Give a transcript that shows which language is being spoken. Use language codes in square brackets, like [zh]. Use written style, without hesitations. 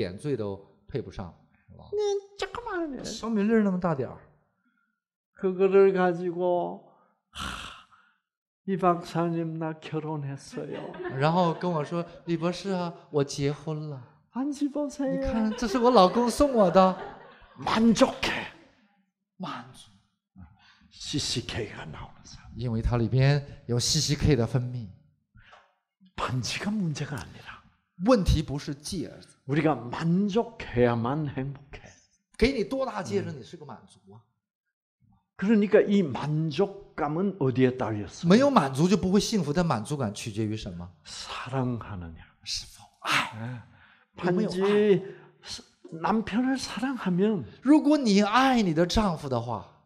[zh] 跟中国富人戴的钻戒比，连他那个零星点缀都配不上。 [ko] 조그만한 [zh] 小米粒儿那么大点儿。 [ko] 그거를 가지고 이 박사님 나 결혼했어요. [zh] 然后跟我说李博士啊我结婚了。 [ko] 반지 보세요. [zh] 你看这是我老公送我的。 [ko] 만족해. 만족. CCK가 나오는 사람. [zh] 因为它里边有 CCK的分泌。 [ko] 반지가 문제가 아니라. [zh] 问题不是戒指。 [ko] 우리가 만족해야만 행복해. [zh] 给你多大戒指，你是个满足啊。 [ko] 그러니까 이 만족감은 어디에 달렸어? [zh] 没有满足就不会幸福，但满足感取决于什么？ [ko] 사랑하느냐? [zh] 是否爱？ [ko] 반지 남편을 사랑하면. [zh] 如果你爱你的丈夫的话，